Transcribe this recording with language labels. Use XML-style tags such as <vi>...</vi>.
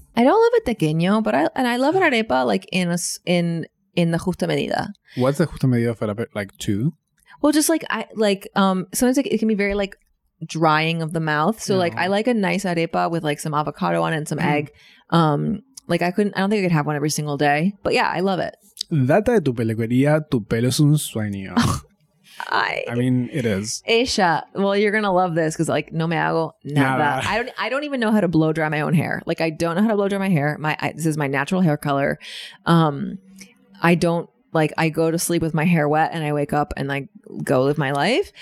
<en>I don't love a tequeño, but I love an arepa like in the</en> <es>justa medida.</es> <en>What's the</en> <es>justa medida</es> <en>for arepa? Like two? Well, just like sometimes like it can be very like drying of the mouth. So like I like a nice arepa with like some avocado on it and some egg. Like I don't think I could have one every single day. But yeah, I love it.</en> <es>Data de tu peluquería, tu pelo es un sueño.</es> <en>I mean, it is. Aisha, well, you're going to love this because like,</en> <es>no me hago nada.</es> <en>I don't even know how to blow dry my own hair. Like, I don't know how to blow dry my hair. This is my natural hair color. I don't like, I go to sleep with my hair wet and I wake up and like go live my life.</en>